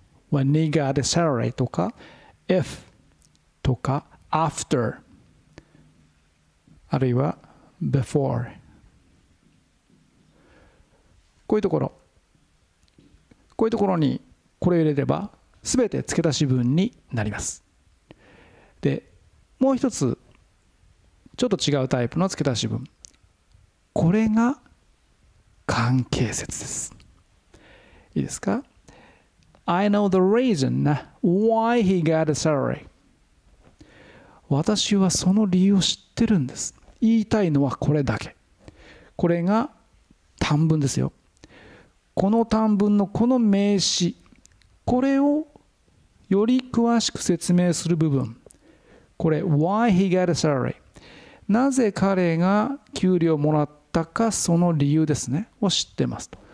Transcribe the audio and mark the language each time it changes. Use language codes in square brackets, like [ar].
[en] When he got a salary [ja] とか If とか After、 あるいは Before、 こういうところ、こういうところにこれを入れれば全て付け足し文になります。でもう一つちょっと違うタイプの付け足し文、これが関係説です。いいですか。 [en] I know the reason why he got a salary、 [ja] 私はその理由を知ってるんです。言いたいのはこれだけ。これが短文ですよ。この短文のこの名詞、これをより詳しく説明する部分、これ [en] Why he got a salary、 [ja] なぜ彼が給料をもらったか、その理由ですねを知ってますと。